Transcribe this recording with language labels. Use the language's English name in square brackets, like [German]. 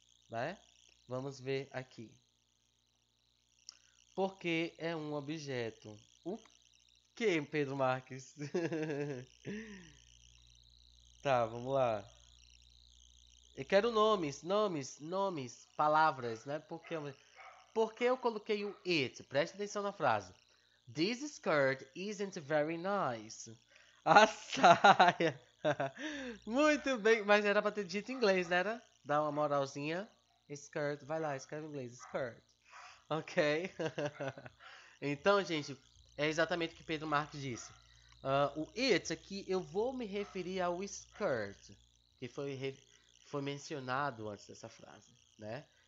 [Portuguese] Né? Vamos ver aqui. Porque é um objeto. O quê, Pedro Marques? Tá, vamos lá. Eu quero nomes, nomes, nomes, palavras, né? Porque é um. Por que eu coloquei o it? Preste atenção na frase. [English] This skirt isn't very nice. [Portuguese] A saia. Muito bem, mas era para ter dito em inglês, né? Dá uma moralzinha. Skirt, vai lá, escreve em inglês. Skirt. Ok. Então, gente, é exatamente o que Pedro Marques disse. O it aqui, eu vou me referir ao skirt, que foi mencionado antes dessa frase, né?